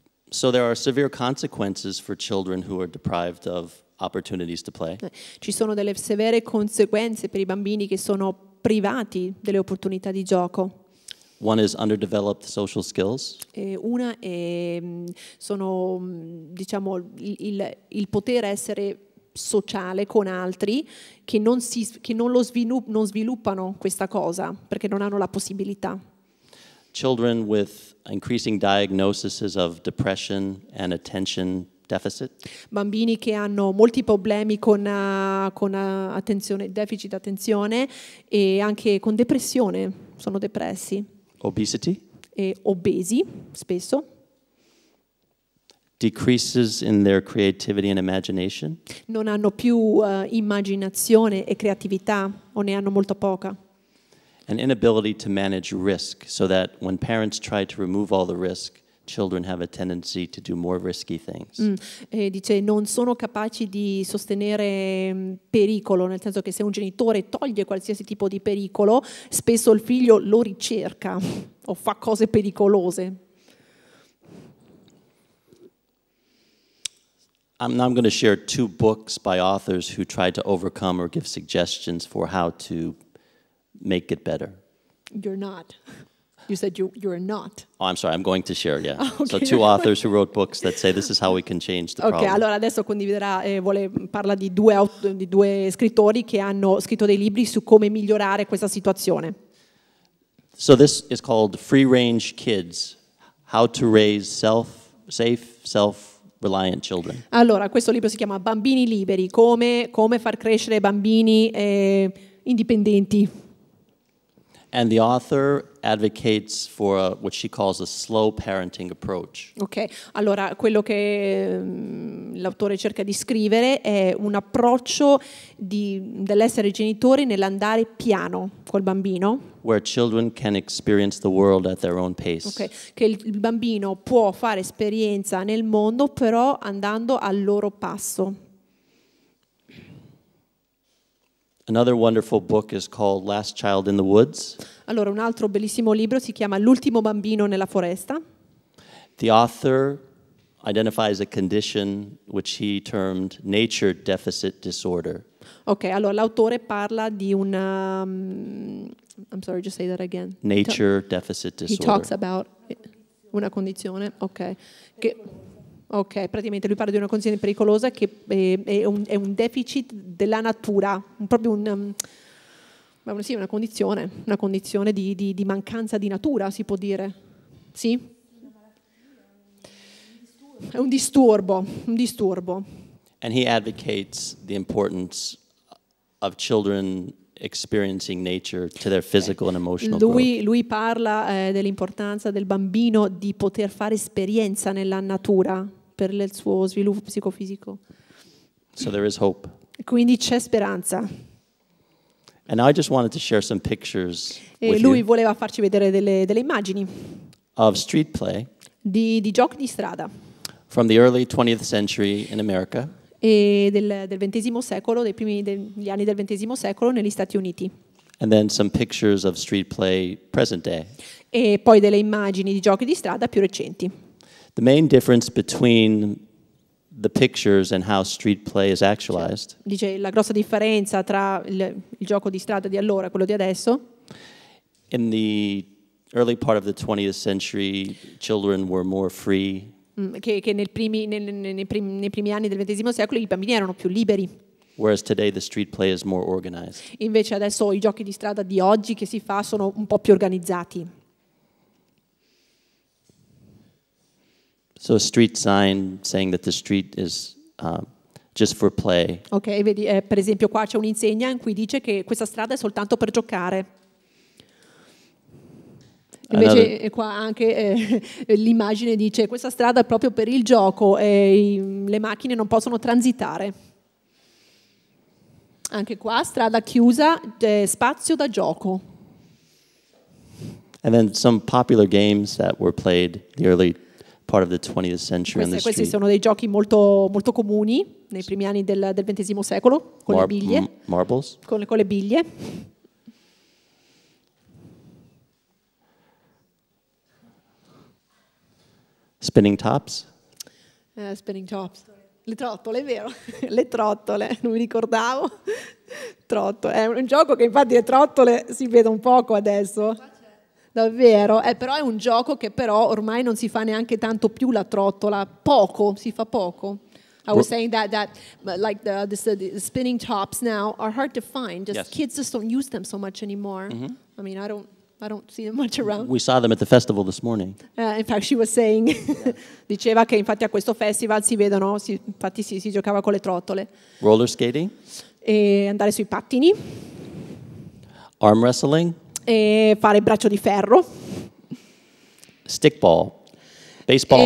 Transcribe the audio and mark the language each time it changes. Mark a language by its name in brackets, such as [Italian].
[English] So there are severe consequences for children who are deprived of opportunities to play. [Italian] Ci sono delle severe conseguenze per I bambini che sono privati delle opportunità di gioco. [English] One is underdeveloped social skills. [Italian] Una è, sono, diciamo, il poter essere sociale con altri che non sviluppano questa cosa perché non hanno la possibilità. [English] Children with increasing diagnoses of depression and attention deficit. [Italian] Bambini che hanno molti problemi con attenzione, deficit attenzione e anche con depressione, sono depressi. [English] Obesity. [Italian] E obesi, spesso. [English] Decreases in their creativity and imagination. [Italian] Non hanno più immaginazione e creatività, o ne hanno molto poca. [English] An inability to manage risk, so that when parents try to remove all the risk, children have a tendency to do more risky things. [Italian] E dice non sono capaci di sostenere pericolo, nel senso che se un genitore toglie qualsiasi tipo di pericolo, spesso il figlio lo ricerca o fa cose pericolose. [English] I'm going to share two books by authors who tried to overcome or give suggestions for how to make it better. You're not. You said you're not. Oh, I'm sorry, I'm going to share, yeah. Okay. So two authors who wrote books that say this is how we can change the problem. [Italian] Okay, allora adesso condividerà, parla di due scrittori che hanno scritto dei libri su come migliorare questa situazione. [English] So this is called Free Range Kids, How to Raise Safe, Self-Reliant Children. [Italian] Allora, questo libro si chiama Bambini Liberi, come far crescere bambini indipendenti. [English] And the author advocates for what she calls a slow parenting approach. [Italian] Okay, allora quello che l'autore cerca di scrivere è un approccio dell'essere genitori nell'andare piano col bambino. [English] Where children can experience the world at their own pace. [Italian] Okay, che il bambino può fare esperienza nel mondo però andando al loro passo. [English] Another wonderful book is called Last Child in the Woods. [Italian] Allora, un altro bellissimo libro si chiama L'ultimo bambino nella foresta. [English] The author identifies a condition which he termed nature deficit disorder. [Italian] Okay, allora l'autore parla di una [English] I'm sorry, just say that again. Nature deficit disorder. He talks about [Italian] una condizione, [English] okay. [Italian] Ok, praticamente lui parla di una condizione pericolosa che è un deficit della natura, proprio una condizione di mancanza di natura, si può dire. Sì? È un disturbo. [English] And he advocates the importance of children experiencing nature to their physical and emotional growth. [Italian] Lui parla dell'importanza del bambino di poter fare esperienza nella natura. Per il suo sviluppo psicofisico. [English] So there is hope. [Italian] Quindi c'è speranza. [English] And I just wanted to share some pictures. [Italian] E lui voleva farci vedere delle immagini. [English] Of street play. [Italian] Di giochi di strada. [English] From the early 20th century in America. [Italian] E del ventesimo secolo, dei primi degli anni del ventesimo secolo negli Stati Uniti. [English] And then some pictures of street play present day. [Italian] E poi delle immagini di giochi di strada più recenti. [English] The main difference between the pictures and how street play is actualized. [Italian] Dice la grossa differenza tra il gioco di strada di allora e quello di adesso. [English] In the early part of the 20th century, children were more free. [Italian] Che nei primi anni del XX secolo i bambini erano più liberi. [English] Whereas today the street play is more organized. [Italian] Invece adesso i giochi di strada di oggi che si fa sono un po' più organizzati. [English] So a street sign saying that the street is just for play. [Italian] Okay, vedi, per esempio qua c'è un'insegna in cui dice che questa strada è soltanto per giocare. Invece qua anche l'immagine dice questa strada è proprio per il gioco e le macchine non possono transitare. Anche qua strada chiusa, spazio da gioco. [English] And then some popular games that were played the early part of the 20th century on the street. [Italian] Questi sono dei giochi molto molto comuni nei primi anni del ventesimo secolo con le biglie. [English] Marbles. [Italian] Con le biglie. [English] Spinning tops. [Italian] Spinning tops. Le trottole, è vero? Le trottole, non mi ricordavo. Trottole. È un gioco che infatti le trottole si vedono poco adesso. Davvero, però è un gioco che però ormai non si fa neanche tanto più la trottola, poco, si fa poco. [English] I was saying that like the spinning tops now are hard to find. Just yes. Kids just don't use them so much anymore. Mm-hmm. I mean, I don't see them much around. We saw them at the festival this morning. In fact, she was saying, [Italian] diceva che infatti a questo festival si vedono, infatti si giocava con le trottole. [English] Roller skating. [Italian] E andare sui pattini. [English] Arm wrestling. [Italian] E fare braccio di ferro. [English] Stickball. Baseball